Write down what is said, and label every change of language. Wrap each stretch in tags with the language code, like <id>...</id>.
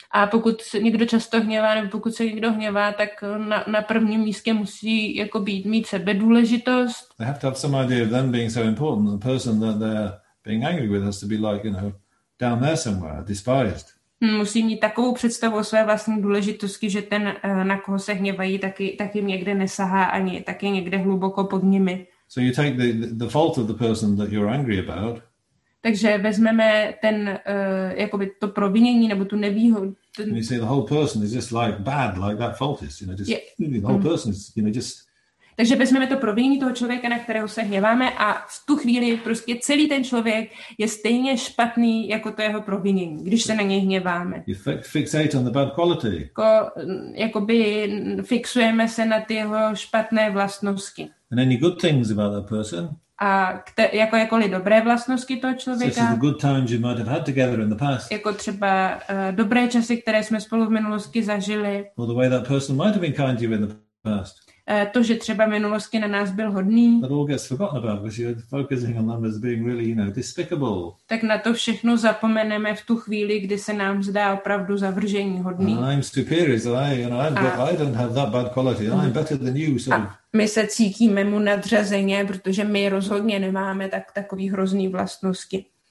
<cs>A pokud se někdo často hněvá, nebo pokud se někdo hněvá, tak na prvním místě musí jako být mít sebe důležitost.</cs> <en>They have to have some idea of them being so important, the person that they're being angry with has to be like, you know, down there somewhere, despised.</en> <cs>Musí mít takovou představu o své vlastní důležitosti, že ten, na koho se hněvají, tak jim někde nesahá ani, tak je někde hluboko pod nimi.</cs> <en>So you take the fault of the person that you're angry about.</en> <cs>Takže vezmeme ten jakoby to provinění nebo tu nevýhodu.</cs> <en>You see, the whole person is just like bad, like that fault is, you know, just the whole person is, you know, just.</en> <cs>Takže vezmeme to provinění toho člověka, na kterého se hněváme, a v tu chvíli prostě celý ten člověk je stejně špatný jako to jeho provinění, když se na něj hněváme.</cs> <en>You fixate on the bad quality.</en> <cs>Jakoby fixujeme se na ty jeho špatné vlastnosti.</cs> <en>And any good things about that person?</en> <cs>A jakoliv dobré vlastnosti toho člověka.</cs> <en>So the good times you might have had together in the past.</en> <cs>Jako třeba dobré časy, které jsme spolu v minulosti zažili.</cs> <en>Or the way that person might have been kind to you in the past.</en> <cs>To, že třeba v minulosti na nás byl hodný.</cs> <en>That all gets forgotten about because you're focusing on them as being really, you know, despicable.</en> <cs>Tak na to všechno zapomeneme v tu chvíli, kdy se nám zdá opravdu zavržení hodný.</cs> <en>And I'm superior, so I don't have that bad quality. I'm better than you, so.</en> <cs>My se cítíme mu nadřazeně, protože my rozhodně nemáme takový hrozný vlastnosti.</cs>